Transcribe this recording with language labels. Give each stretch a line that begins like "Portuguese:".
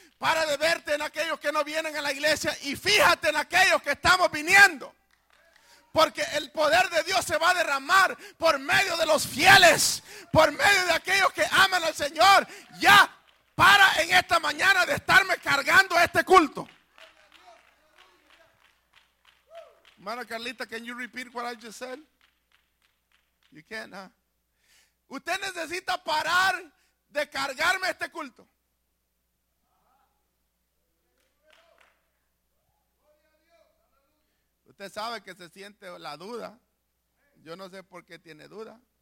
Spanish: Para de verte en aquellos que no vienen a la iglesia. Y fíjate en aquellos que estamos viniendo. Porque el poder de Dios se va a derramar por medio de los fieles. Por medio de aquellos que aman al Señor. Ya para en esta mañana de estarme cargando este culto.
English: Hermana Carlita, can you repeat what I just said? You can, huh?
Spanish: Usted necesita parar de cargarme este culto. Usted sabe que se siente la duda. Yo no sé por qué tiene duda.